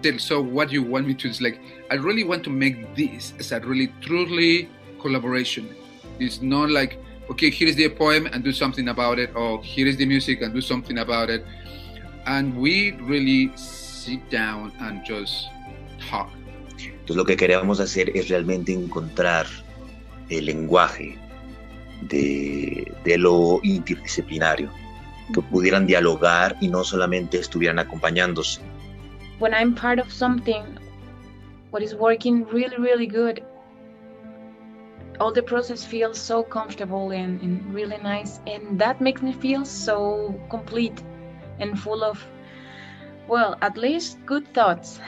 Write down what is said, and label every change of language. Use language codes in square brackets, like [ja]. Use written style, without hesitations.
[en] So what you want me to is like, I really want to make this as a really, truly collaboration. It's not like, okay, here is the poem and do something about it. Or here is the music and do something about it. And we really sit down and just talk. [es] Entonces, lo que queremos hacer es realmente encontrar el lenguaje de lo interdisciplinario, que pudieran dialogar y no solamente estuvieran acompañándose. [en] When I'm part of something, what is working really, really good, all the process feels so comfortable and really nice, and that makes me feel so complete and full of, well, at least good thoughts.